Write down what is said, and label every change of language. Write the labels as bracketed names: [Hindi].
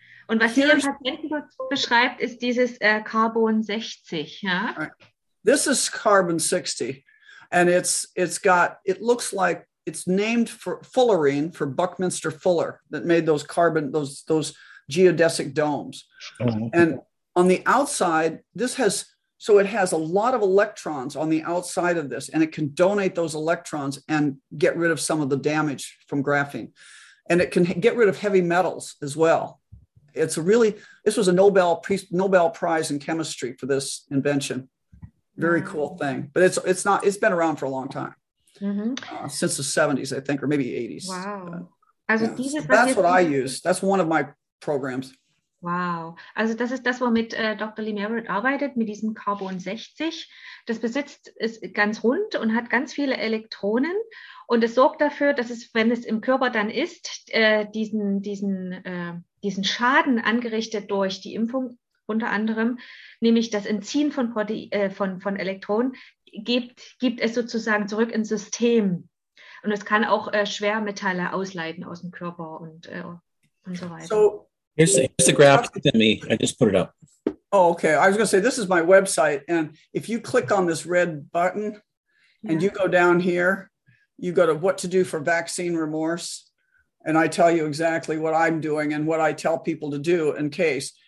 [German] Und was hier im Patienten beschreibt, ist dieses Carbon 60. Ja? [English] This is Carbon 60. And it looks like it's named for fullerene, for Buckminster Fuller, that made those carbon, those geodesic domes. Mm-hmm. And on the outside, it has a lot of electrons on the outside of this, and it can donate those electrons and get rid of some of the damage from graphene. And it can get rid of heavy metals as well. It's really, this was a Nobel Prize in chemistry for this invention. Very cool thing. But it's been around for a long time. Mm-hmm. Since the 70s, I think, or maybe 80s. Wow. Also yeah. So that's what I use. That's one of my programs. Wow. [German] Also das ist das, womit Dr. Lee Merritt arbeitet, mit diesem Carbon 60. Das besitzt, ist ganz rund und hat ganz viele Elektronen. Und es sorgt dafür, dass es, wenn es im Körper dann ist, diesen Schaden angerichtet durch die Impfung, unter anderem, nämlich das Entziehen von Elektronen, gibt es sozusagen zurück ins System. Und es kann auch Schwermetalle ausleiten aus dem Körper und so weiter. [English] So, here's the graph to me. I just put it up. Oh, okay. I was going to say, this is my website. And if you click on this red button and you go down here, you go to what to do for vaccine remorse. And I tell you exactly what I'm doing and what I tell people to do in case.